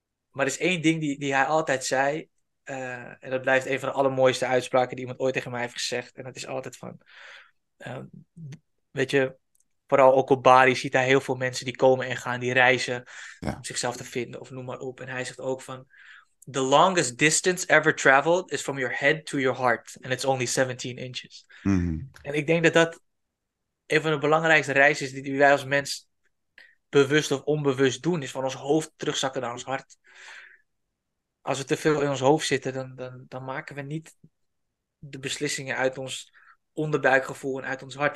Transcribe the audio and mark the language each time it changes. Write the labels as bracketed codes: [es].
[nl] Maar er is één ding die hij altijd zei. En dat blijft een van de allermooiste uitspraken die iemand ooit tegen mij heeft gezegd. En dat is altijd van... weet je, vooral ook op Bali ziet hij heel veel mensen die komen en gaan. Die reizen om zichzelf te vinden of noem maar op. En hij zegt ook van... [en] The longest distance ever traveled is from your head to your heart. And it's only 17 inches. Mm-hmm. [nl] En ik denk dat dat een van de belangrijkste reizen is die wij als mens bewust of onbewust doen. Is van ons hoofd terugzakken naar ons hart. Als we te veel in ons hoofd zitten, dan maken we niet de beslissingen uit ons onderbuikgevoel en uit ons hart.